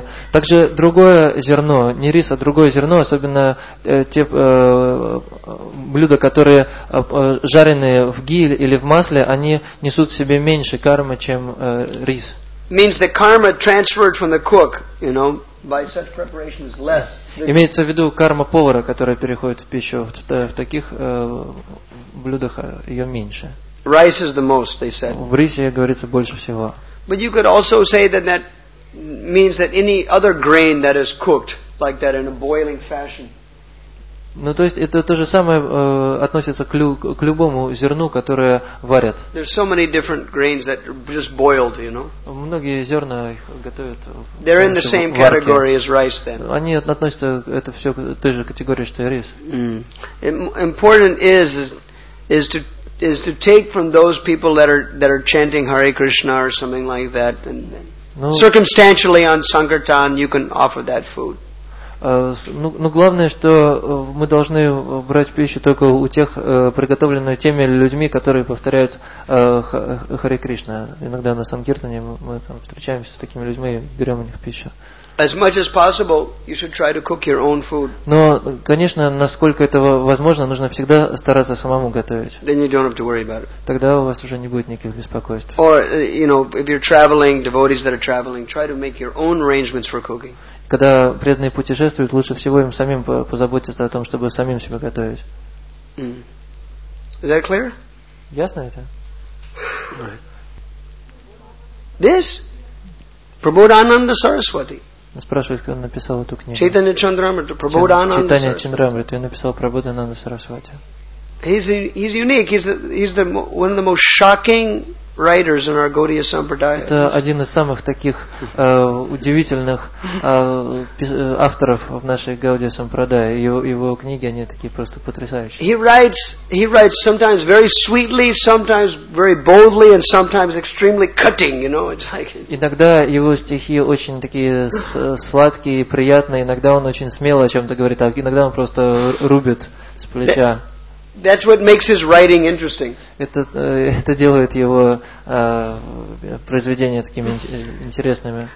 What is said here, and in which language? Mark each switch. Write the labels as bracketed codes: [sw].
[ru] Также другое зерно, не рис, а другое зерно, особенно те блюда, которые жареные в ги или в масле, они несут в себе меньше кармы, чем рис. [en] Means the karma transferred from the cook, you know, by such preparation is less. [ru] Имеется в виду карма повара, которая переходит в пищу, в таких блюдах ее меньше. [en] Rice is the most, they said. [ru] В рисе говорится больше всего. [en] But you could also say that means that any other grain that is cooked like that in a boiling fashion. [ru] Ну, то есть это то же самое относится к любому зерну, которое варят. [en] There's so many different grains that are just boiled, you know. [ru] Многие зерна их готовят. [en] They're in the same category as rice, then. [ru] Они относятся это все к той же категории, что и рис. [en] Important is to take from those people that are chanting Hare Krishna or something like that, and circumstantially on Sankirtan you can offer that food. [ru] Ну, главное, что мы должны брать пищу только у тех, приготовленную теми людьми, которые повторяют Харе Кришна. Иногда на Санкиртане мы там встречаемся с такими людьми и берем у них пищу. [en] As much as possible, you should try to cook your own food. [ru] Но, конечно, насколько это возможно, нужно всегда стараться самому готовить. [en] Then you don't have to worry about it. [ru] Тогда у вас уже не будет никаких беспокойств. [en] Or, you know, if you're traveling, devotees that are traveling, try to make your own arrangements for cooking. [ru] Когда преданные путешествуют, лучше всего им самим позаботиться о том, чтобы самим себя готовить. [en] Is that clear? [ru] Ясно это? [en] This? Prabodhananda Saraswati. [ru] Спрашивает, когда написал эту книгу. Чайтанья Чандрамрита, Прабхудананда Сарасвати. Чайтанья Чандрамрита, я написал Прабхудананда Сарасвати. [en] He's unique. He's one of the most shocking writers in our Gaudiya Sampradaya. [ru] Это один из самых таких удивительных авторов в нашей Гаудия Сампрадая. Его книги, они такие просто потрясающие. [en] He writes sometimes very sweetly, sometimes very boldly, and sometimes extremely cutting, you know, it's like. [ru] Иногда его стихи очень такие сладкие и приятные, иногда он очень смело о чем-то говорит, а иногда он просто рубит с плеча. [en] That's what makes his writing interesting. [ru] Это делает его произведения такими интересными.